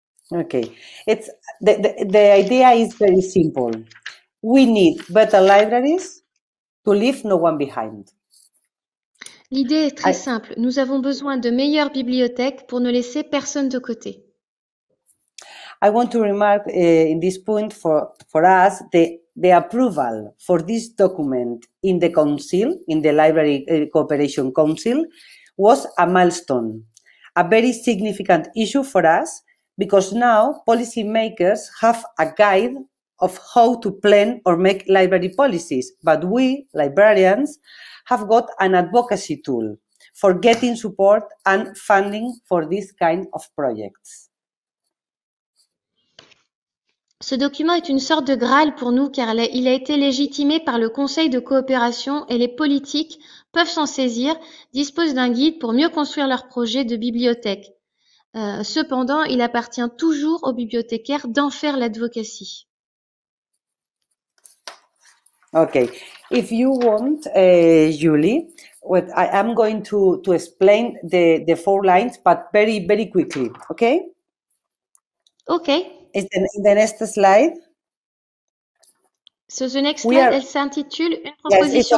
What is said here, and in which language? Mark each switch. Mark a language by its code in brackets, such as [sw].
[en] Okay. It's the idea is very simple. We need better libraries to leave no one behind. [fr] L'idée est très simple. Nous avons besoin de meilleures bibliothèques pour ne laisser personne de côté. [en] I want to remark in this point for us the approval for this document in the council, in the Library Cooperation Council, was a milestone, a very significant issue for us, because now policymakers have a guide of how to plan or make library policies, but we, librarians, have got an advocacy tool for getting support and funding for this kind of projects. [fr] Ce document est une sorte de Graal pour nous car il a été légitimé par le Conseil de coopération et les politiques peuvent s'en saisir, disposent d'un guide pour mieux construire leur projet de bibliothèque. Cependant, il appartient toujours aux bibliothécaires d'en faire l'advocacy. [en] OK. If you want, Julie, what I am going to explain the four lines, but very, very quickly, OK? OK. Is in the next slide. So the next slide, are, [fr] elle s'intitule une proposition